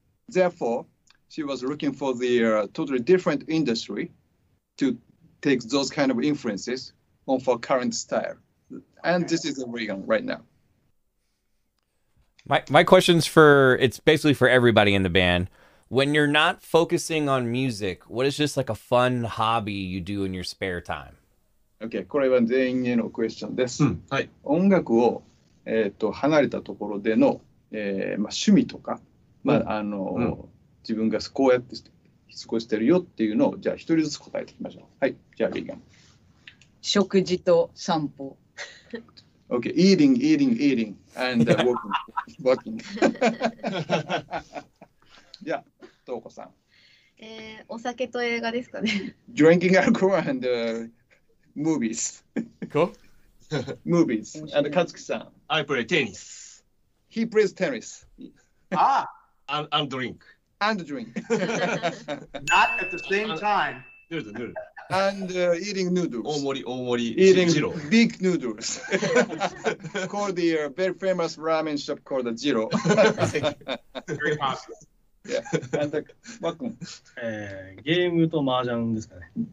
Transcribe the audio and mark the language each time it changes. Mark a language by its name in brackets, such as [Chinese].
[English] Therefore, she was looking for the totally different industry to take those kind of influences on for current style. And this is Regan right now. My question's for, it's basically for everybody in the band. When you're not focusing on music, what is just like a fun hobby you do in your spare time? [Japanese] Okay, これは全員への question です。はい。音楽を、離れたところでのまあ、趣味とか、まあ、自分がこうやって過ごしてるよっていうのを、じゃあ一人ずつ答えていきましょう。はい、じゃあ、リーガン。食事と散歩。 [English] OK、eating、eating、eating、and walking、walking。 [Japanese] じゃあ、トウコさん。お酒と映画ですかね。 [English] Drinking alcohol and movies。こう ?Movies。 And カツキさん。 I play tennis. He plays tennis. and drink. And drink. Not at the same time. Noodle. And eating noodles. [Japanese] 大盛り大盛り。 [English] Eating big noodles. called the very famous ramen shop called the Jiro. Very popular. Yeah. And welcome. [Japanese] ゲームと麻雀ですかね。